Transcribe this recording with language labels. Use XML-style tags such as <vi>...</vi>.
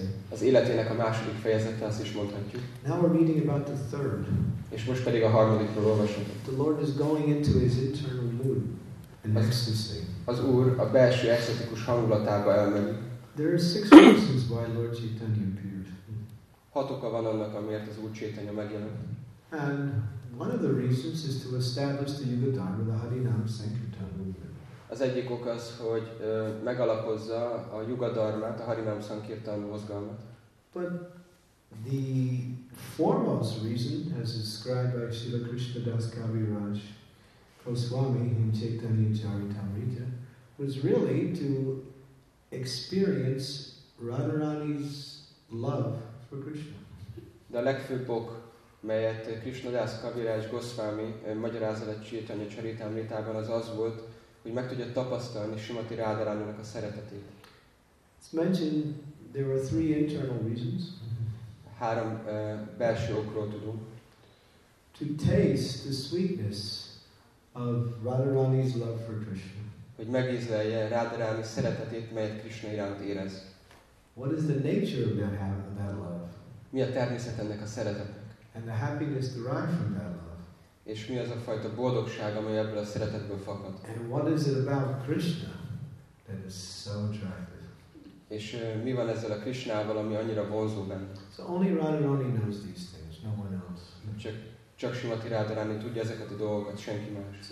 <hu>Az életének a második fejezete, azt is mondhatjuk.</hu> <en>Now we're reading about the third.</en> <hu>És most pedig a harmadikról olvasunk.</hu> <en>The Lord is going into his internal mood, an ecstasy.</en> <hu>Az Úr a belső extatikus hangulatába elmegy.</hu> <en>There are 6 reasons why Lord Chaitanya appears.</en> <hu>6 oka van annak, amiért az Úr Chaitanya megjelent.</hu> <en>And one of the reasons is to establish the Yuga Dharma, the Harinam Sankirtan movement.</en> <hu>Az egyik ok az, hogy megalapozza a Yuga Dharmát, a Harinam Sankirtan mozgalmat.</hu> <en>But the foremost reason, as described by Srila Krishna Das Kaviraj Goswami in Chaitanya Charitamrita, was really to experience Radharani's love for Krishna.</en> <hu>De a legfőbb ok, melyet Krishna Das Kaviraj Goswami magyarázat a Chaitanya Charitamritában, az az volt, hogy meg tudja tapasztalni Srimati Radharaninak a szeretetét.</hu> <en>It's mentioned there are 3 internal reasons.</en> <hu>3 belső okról tudunk.</hu> <en>To taste the sweetness of Radharani's love for Krishna.</en> <hu>Hogy megízlelje Radharani szeretetét, melyet Krishna iránt érez.</hu> <en>What is the nature of that love?</en> <hu>Mi a természet ennek a szeretetnek?</hu> <en>And the happiness derived from that love.</en> <hu>És mi az a fajta boldogság, amely ebből a szeretetből fakad?</hu> <en>And what is it about Krishna that is so attractive?</en> <hu>És mi van ezzel a Krishnával, ami annyira vonzó benne?</hu> <en>So only Radharani knows these things, no one else.</en> <hu>Csak Srimati Radharani tudja ezeket a dolgokat, senki más.</hu>